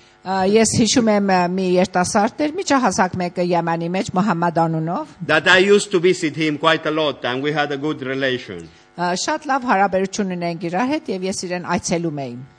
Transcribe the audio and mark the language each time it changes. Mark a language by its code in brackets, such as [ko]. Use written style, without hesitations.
[hy] Ես հիշում եմ մի երիտասարդ էր, միջահասակ մեկը Եմենի մեջ, Մոհամեդ անունով։ [en] That I used to visit him quite a lot and we had a good relation. [hy] Շատ լավ հարաբերություն ունենք իր հետ եւ ես իրեն այցելում էի։